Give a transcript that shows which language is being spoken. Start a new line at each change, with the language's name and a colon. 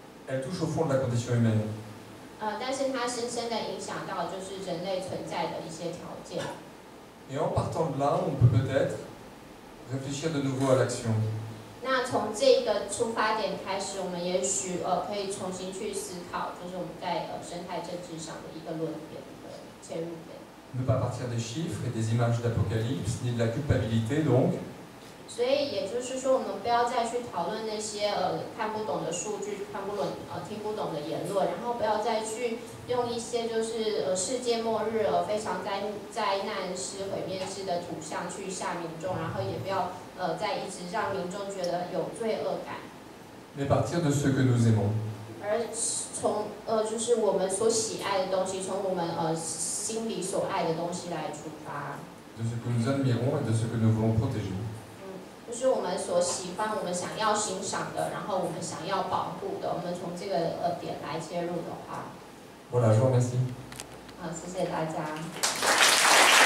French: Elle touche au fond de la condition humaine. Et en partant de là, on peut peut-être réfléchir de nouveau à l'action.
Chinese: 那从这个出发点开始，我们也许可以重新去思考，就是我们在生态政治上的一个论点的切入点。
French: Ne pas partir des chiffres et des images d'apocalypse ni de la culpabilité donc。
Chinese: 所以也就是说，我们不要再去讨论那些看不懂的数据、看不懂听不懂的言论，然后不要再去用一些就是世界末日非常灾难式、毁灭式的图像去吓民众，然后也不要。在一直让民众觉得有罪恶感。
French: Mais partir de ce que nous aimons.
Chinese: 而从就是我们所喜爱的东西，从我们心里所爱的东西来出发。
French: De ce que nous admirons et de ce que nous voulons protéger.
Chinese: 就是我们所喜欢、我们想要欣赏的，然后我们想要保护的，我们从这个点来切入的话。
French: Voilà, je vous remercie.
Chinese: 好，谢谢大家。